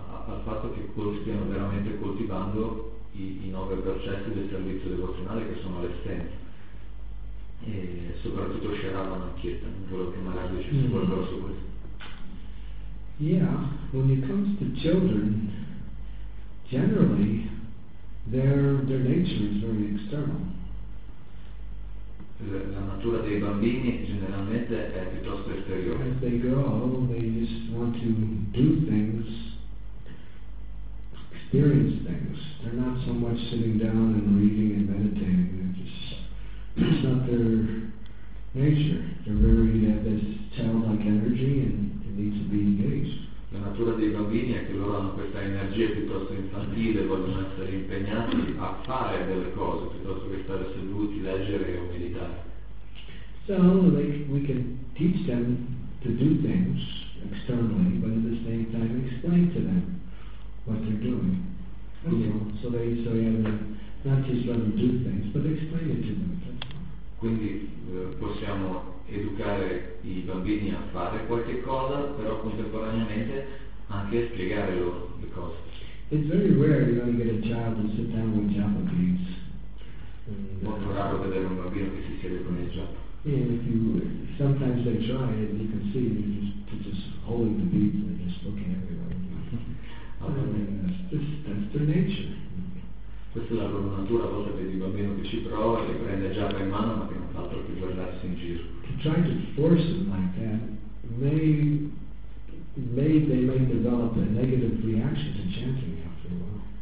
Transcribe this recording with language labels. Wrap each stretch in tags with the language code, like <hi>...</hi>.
<it>al fatto che stiano veramente coltivando i nove percetti del servizio devozionale che sono l'essenza, e soprattutto Sharavana Kirtan, quello che magari ci si può dire su questo.</it> <en>Yeah, when it comes to children, generally their nature is very external.</en> <it>La natura dei bambini generalmente è piuttosto esteriore.</it> <en>As they grow, they just want to do things, experience things. They're not so much sitting down and reading and meditating. It's not their nature. They have this childlike energy and it needs to be engaged.</en> <it>La natura dei bambini è che loro hanno questa energia piuttosto infantile, vogliono essere impegnati a fare delle cose piuttosto che stare seduti, leggere o meditare.</it> <en>So like we can teach them to do things externally, but at the same time explain to them what they're doing. Okay. You know, so they not just let them do things, but explain it to them.</en> <it>Quindi possiamo educare i bambini a fare qualche cosa, però contemporaneamente anche a spiegare loro le cose.</it> <en>It's very rare you know, you get a child and sit down with Jaffa beans.</en> <it>Molto raro vedere un bambino che si siede con il Jaffa.</it> <en>And if you, sometimes they try it, you can see they're just holding the beads and just looking everywhere. I mean, that's their nature.</en> <it>Questa è la loro natura, a volte vedi il bambino che ci prova, che prende Jaffa in mano, ma che non fa altro che guardarsi in giro.</it> <en>To try to force them like that, they may develop a negative reaction to chanting after a while.</en>